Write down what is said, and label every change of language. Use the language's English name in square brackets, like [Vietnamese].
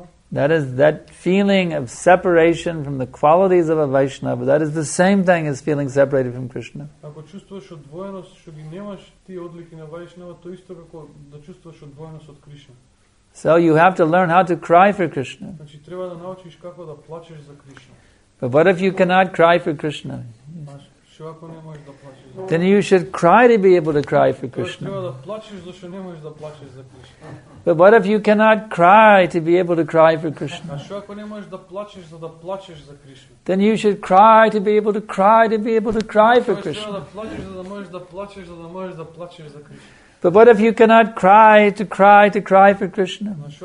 [English] That feeling of separation from the qualities of a Vaishnava, that is the same thing as feeling separated from Krishna. [Macedonian] Ако чувствуваш одвоеност, што ги немаш тие одлики на Вайшнава, тоа исто како да чувствуваш одвоеност од Кришна. [English] So you have to learn how to cry for Krishna. [Macedonian] Значи треба да научиш како да плачеш за Кришна. [English] But what if you cannot cry for Krishna? [Macedonian] Што ако не можеш да плачеш за Кришна? [English] Then you should cry to be able to cry for Krishna. [Macedonian] Треба да плачеш зашто не можеш да плачеш за Кришна. [English] But what if you cannot cry to be able to cry for Krishna? [Macedonian] Што ако не можеш да плачеш за да плачеш за Кришна? [English] Then you should cry to be able to cry to be able to cry for Krishna. [Macedonian] Треба да плачеш за да можеш да плачеш за да можеш да плачеш за Кришна. [English] But what if you cannot cry to cry to cry for Krishna?